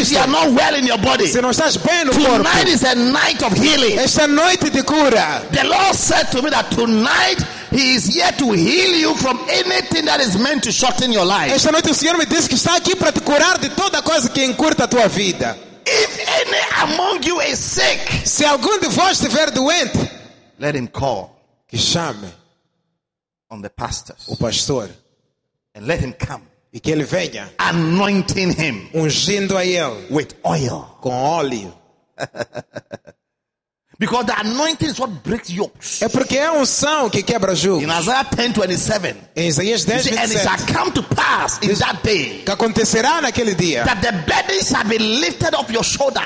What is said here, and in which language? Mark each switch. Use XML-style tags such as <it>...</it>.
<en>if you are not well in your body,</en> <pt>se não estás bem no</pt> <en>tonight</en> <pt>corpo,</pt> <en>tonight is a night of healing.</en> <pt>Esta noite de cura.</pt> <en>The Lord said to me that tonight He is here to heal you from anything that is meant to shorten your life.</en> <pt>Esta noite o Senhor me disse que está aqui para te curar de toda coisa que encurta a tua vida.</pt> <en>If any among you is sick,</en> <pt>se algum de vós estiver doente,</pt> <en>let him call,</en> <pt>que chame,</pt> <en>on the pastors,</en> <pt>o pastor,</pt> <en>and let him come,</en> <pt>e que ele venha,</pt> <en>anointing him,</en> <pt>ungindo a ele,</pt> <en>with oil,</en> <pt>com óleo,</pt> <en>because the anointing is what breaks yokes.</en> <pt>É porque é a unção que quebra jugos.</pt> <en>In Isaiah 10:27,</en> <pt>em Isaías 10,</pt> <en>see, and it shall come to pass in that day,</en> <pt>que acontecerá naquele dia,</pt> <en>that the burden shall be lifted off your shoulder,</en>